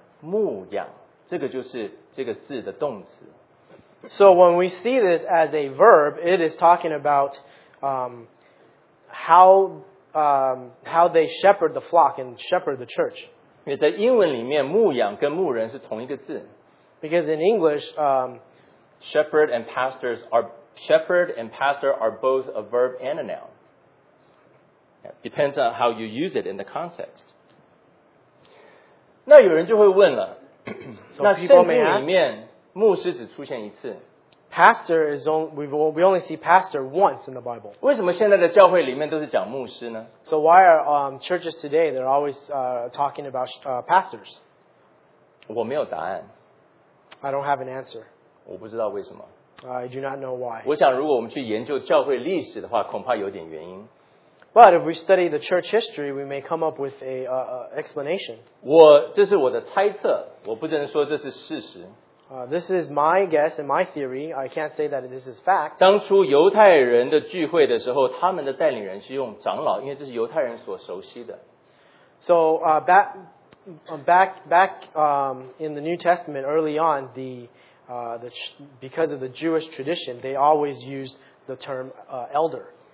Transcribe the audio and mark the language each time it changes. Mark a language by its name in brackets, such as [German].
[Chinese] 那这个字在用作动词的时候，也就是牧养的时候呢，就讲到就是我们刚刚读到在使徒行传十二章彼得前书第五章的时候讲到的牧养，这个就是这个字的动词。 [English] So when we see this as a verb, it is talking about how they shepherd the flock and shepherd the church. [Chinese] 因为在英文里面，牧养跟牧人是同一个字。 [English] Because in English, shepherd and pastor are both a verb and a noun. It depends on how you use it in the context. [Chinese] 那有人就会问了， [English] so people may ask, [Chinese] 牧师只出现一次。 [English] Pastor is only we only see pastor once in the Bible. [Chinese] 为什么现在的教会里面都是讲牧师呢？ [English] So why are churches today they're always talking about pastors? [Chinese] 我没有答案。 [English] I don't have an answer. [Chinese] 我不知道为什么。 [English] I do not know why. [Chinese] 我想如果我们去研究教会历史的话，恐怕有点原因。 [English] But if we study the church history, we may come up with a explanation. [Chinese] 我这是我的猜测，我不能说这是事实。 [English] This is my guess and my theory. I can't say that this is fact. [Chinese] 当初犹太人的聚会的时候，他们的带领人是用长老，因为这是犹太人所熟悉的。 [English] So back in the New Testament, early on, because of the Jewish tradition, they always used the term elder.